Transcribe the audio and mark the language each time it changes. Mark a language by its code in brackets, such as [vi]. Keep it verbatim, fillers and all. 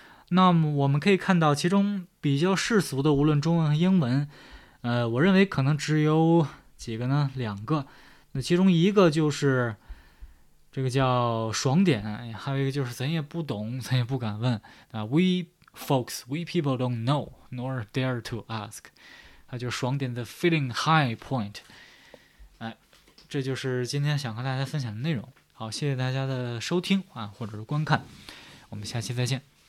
[zh] 那么我们可以看到，其中比较世俗的，无论中文和英文，呃，我认为可能只有几个呢，两个。那其中一个就是这个叫爽点，哎，还有一个就是咱也不懂，咱也不敢问啊。 [en] We folks, we people don't know, nor dare to ask。 [zh] 它就爽点的 [en] feeling high point。 [zh] 哎，这就是今天想和大家分享的内容。好，谢谢大家的收听啊，或者是观看，我们下期再见。